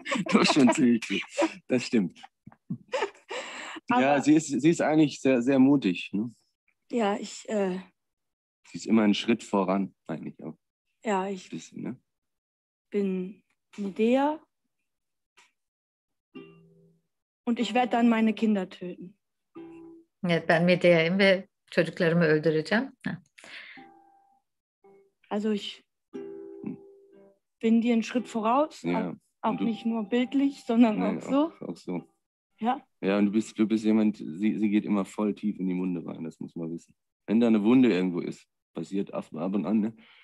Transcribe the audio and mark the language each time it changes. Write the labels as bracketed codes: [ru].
[de] Doch schon ziemlich gut. Das stimmt. Aber ja, sie ist eigentlich sehr, sehr mutig. Ne? Ja, ich. Sie ist immer einen Schritt voran, eigentlich auch. Ja, ich bisschen, ne? Bin Medea. Und ich werde dann meine Kinder töten. Ja, dann [tr] Medea'yım ve çocuklarımı öldüreceğim. [de] Also ich bin dir einen Schritt voraus, ja, auch nicht nur bildlich, sondern nein, auch so. Auch so. Ja. Ja, und du bist jemand, sie geht immer voll tief in die Wunde rein, das muss man wissen. Wenn da eine Wunde irgendwo ist, passiert ab und an, ne?